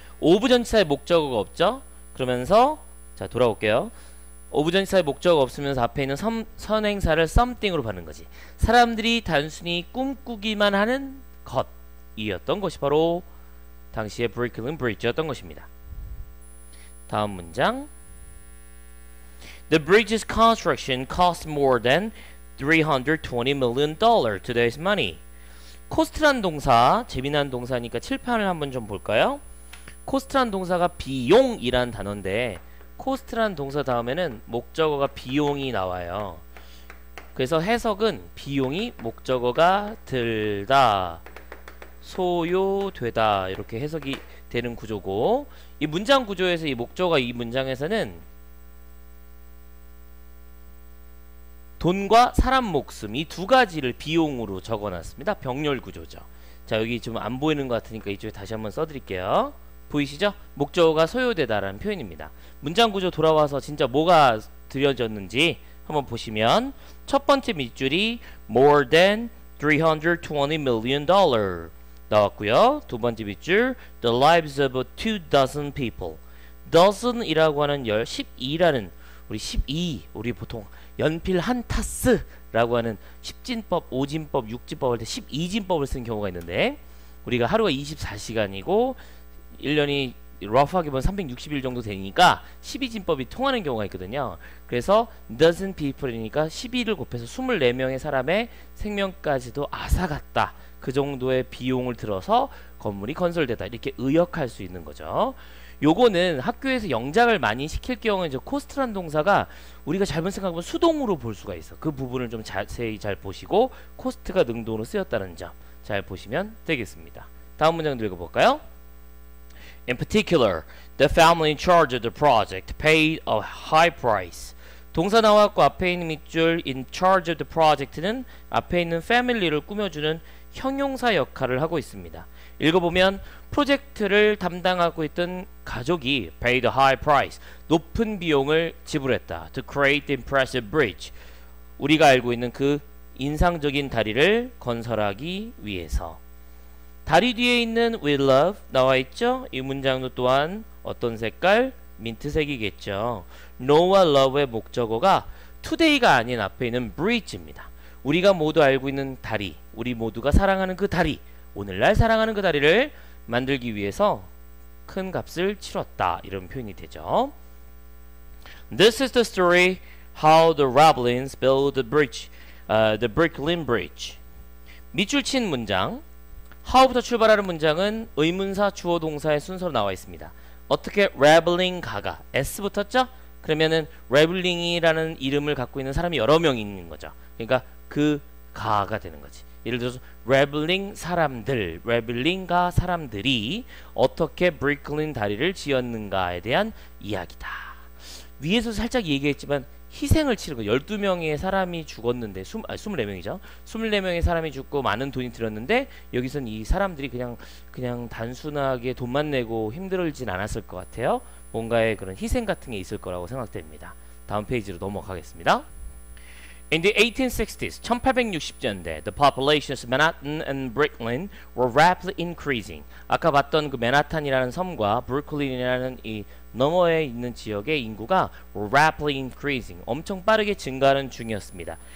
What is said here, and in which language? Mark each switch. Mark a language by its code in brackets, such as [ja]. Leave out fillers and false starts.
[ko] 오브 전치사의 목적어가 없죠? 그러면서 자 돌아올게요. 오브 전치사의 목적어가 없으면서 앞에 있는 선행사를 something으로 받는 거지. 사람들이 단순히 꿈꾸기만 하는 것이었던 것이 바로 당시의 브루클린 브릿지였던 것입니다. 다음 문장. [en] The bridge's construction cost more than $320 million today's money. [ko] 코스트란 동사, 재미난 동사니까 칠판을 한번 좀 볼까요? 코스트란 동사가 비용이란 단어인데, 코스트란 동사 다음에는 목적어가 비용이 나와요. 그래서 해석은 비용이 목적어가 들다, 소요되다, 이렇게 해석이 되는 구조고, 이 문장 구조에서 이 목적어가 이 문장에서는 돈과 사람 목숨, 이두 가지를 비용으로 적어 놨습니다. 병렬 구조죠. 자, 여기 좀안 보이는 것 같으니까 이쪽에 다시 한번 써드릴게요. 보이시죠? 목적어가 소요되다라는 표현입니다. 문장 구조 돌아와서 진짜 뭐가 들여졌는지 한번 보시면, 첫 번째 밑줄이 [en] more than $320 million [ko] 나왔고요. 두 번째 밑줄, [en] the lives of two dozen people. [ko] dozen이라고 하는 열, 12라는 우리 12, 우리 보통 연필 한 타스라고 하는 10진법, 5진법, 6진법 할때 12진법을 쓴 경우가 있는데, 우리가 하루가 24시간이고 1년이 rough하게 보면 360일 정도 되니까 12진법이 통하는 경우가 있거든요. 그래서 [en] dozen people [ko] 이니까 12를 곱해서 24명의 사람의 생명까지도 앗아갔다. 그 정도의 비용을 들어서 건물이 건설되다. 이렇게 의역할 수 있는 거죠. 요거는 학교에서 영작을 많이 시킬 경우에 이제 코스트란 동사가 우리가 잘못 생각하면 수동으로 볼 수가 있어. 그 부분을 좀 자세히 잘 보시고 코스트가 능동으로 쓰였다는 점 잘 보시면 되겠습니다. 다음 문장도 읽어볼까요? [en] In particular, the family in charge of the project paid a high price. [ko] 동사 나왔고 앞에 있는 밑줄 [en] in charge of the project [ko] 는 앞에 있는 family를 꾸며주는 형용사 역할을 하고 있습니다. 읽어보면 프로젝트를 담당하고 있던 가족이 [en] paid a high price, [ko] 높은 비용을 지불했다. [en] To create the impressive bridge, [ko] 우리가 알고 있는 그 인상적인 다리를 건설하기 위해서. 다리 뒤에 있는 [en] with love [ko] 나와있죠? 이 문장도 또한 어떤 색깔? 민트색이겠죠. No와 love의 목적어가 today가 아닌 앞에 있는 bridge입니다. 우리가 모두 알고 있는 다리, 우리 모두가 사랑하는 그 다리, 오늘날 사랑하는 그 다리를 만들기 위해서 큰 값을 치렀다. 이런 표현이 되죠. [en] This is the story how the Ravelins built the bridge, the Brooklyn Bridge. [ko] 밑줄 친 문장, how부터 출발하는 문장은 의문사 주어 동사의 순서로 나와 있습니다. 어떻게 Raveling 가가, S 붙었죠? 그러면은 Raveling이라는 이름을 갖고 있는 사람이 여러 명 있는 거죠. 그러니까 그 가가 되는 거지. 예를 들어서 Raveling 사람들, Raveling가 사람들이 어떻게 Brooklyn 다리를 지었는가에 대한 이야기다. 위에서 살짝 얘기했지만 희생을 치르고 12명의 사람이 죽었는데 24명이죠. 24명의 사람이 죽고 많은 돈이 들었는데 여기선 이 사람들이 그냥 단순하게 돈만 내고 힘들진 않았을 것 같아요. 뭔가의 그런 희생 같은 게 있을 거라고 생각됩니다. 다음 페이지로 넘어가겠습니다. [en] In the 1860s, 1860년대, the populations of Manhattan and Brooklyn were rapidly increasing. [ko] 아까 봤던 그 맨하탄이라는 섬과 브루클린이라는 이 너머에 있는 지역의 인구가 [en] were rapidly increasing, [ko] 엄청 빠르게 증가하는 중이었습니다.